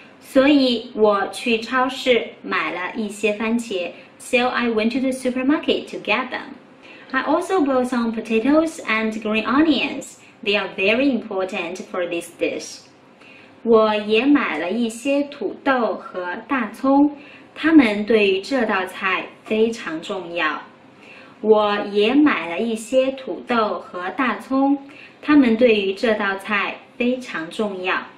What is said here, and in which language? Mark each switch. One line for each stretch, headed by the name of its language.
Chinese: 所以我去超市买了一些番茄。
English: So I went to the supermarket to get them. I also bought some potatoes and green onions. They are very important for this dish.
Chinese: 我也买了一些土豆和大葱，它们对于这道菜非常重要。我也买了一些土豆和大葱，它们对于这道菜非常重要。